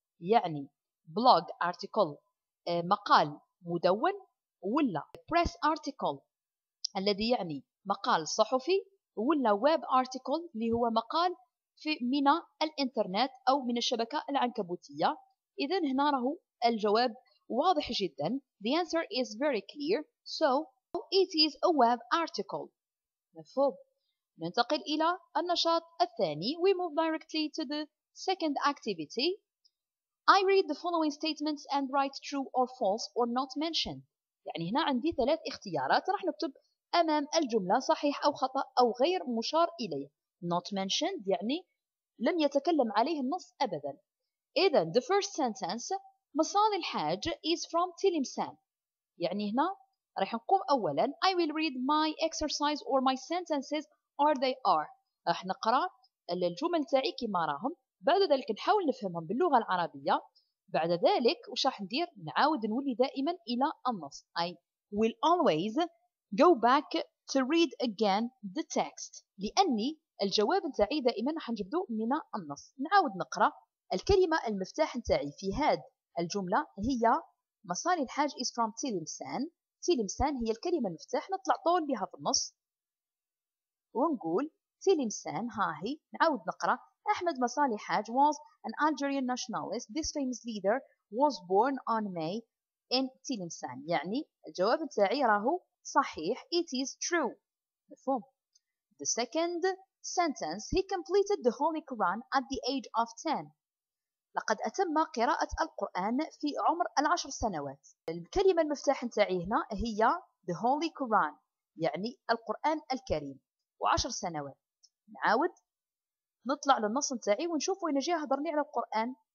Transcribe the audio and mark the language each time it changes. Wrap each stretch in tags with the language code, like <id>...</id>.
<ar>يعني blog article مقال مدون, ولا press article الذي يعني مقال صحفي, ولا web article اللي هو مقال في من الانترنت أو من الشبكة العنكبوتية. إذن هنا راهو الجواب واضح جدا.</ar> <en>The answer is very clear. So it is a web article. مفهوم.</en> <ar>ننتقل إلى النشاط الثاني.</ar> <en>We move directly to the second activity. I read the following statements and write true or false or not mentioned.</en> <ar>يعني هنا عندي ثلاث اختيارات راح نكتب أمام الجملة, صحيح أو خطأ أو غير مشار إليه.</ar> <en>Not mentioned</en> <ar>يعني لم يتكلم عليه النص أبدا.</ar> <en>إذن the first sentence, مصالي الحاج is from تلمسان.</en> <ar>يعني هنا راح نقوم أولا,</ar> <en>I will read my exercise or my sentences or they are.</en> <ar>راح نقرأ الجمل تاعي كما راهم, بعد ذلك نحاول نفهمهم باللغة العربية, بعد ذلك وش راح ندير؟ نعاود نولي دائما إلى النص.</ar> <en>I will always go back to read again the text.</en> <ar>لأني الجواب تاعي دائما راح نجبدو من النص. نعاود نقرأ. الكلمة المفتاح نتاعي في هاد الجملة هي مصالي الحاج</ar> <en>is from</en> <ar>تلمسان. تلمسان هي الكلمة المفتاح, نطلع طول بها في النص ونقول تلمسان هاهي. نعاود نقرأ.</ar> <en>أحمد مصالي الحاج was an Algerian nationalist. This famous leader was born on May in تلمسان.</en> <ar>يعني الجواب نتاعي راهو صحيح.</ar> <en>It is true. مفهوم. The second sentence, he completed the Holy Quran at the age of 10.</en> <ar>لقد أتم قراءة القرآن في عمر 10 سنوات. الكلمة المفتاح نتاعي هنا هي the Holy Quran. يعني القرآن الكريم، وعشر سنوات نعاود نطلع للنص نتاعي ونشوف وين جاي هضرني على القرآن.</ar>